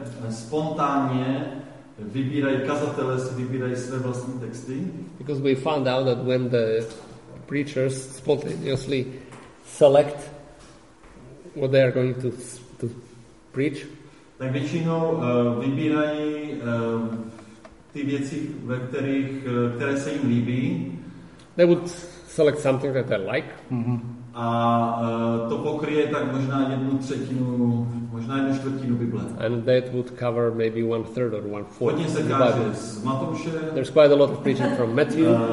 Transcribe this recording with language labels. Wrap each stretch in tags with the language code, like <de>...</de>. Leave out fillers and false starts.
<cs>spontánně vybírají, kazatelé si vybírají své vlastní texty.</cs> <en>Because we found out that when the preachers spontaneously select what they are going to preach.</en> <cs>Tak většinou vybírají ty věci, ve kterých, které se jim líbí.</cs> <en>They would select something that they like. Mm-hmm.</en> <cs>A to pokryje tak možná jednu třetinu, možná jednu čtvrtinu Bible.</cs> <en>And that would cover maybe one third or one fourth.</en> <cs>Hodně se káže z Matouše.</cs> <en>There's quite a lot of preaching from Matthew.</en>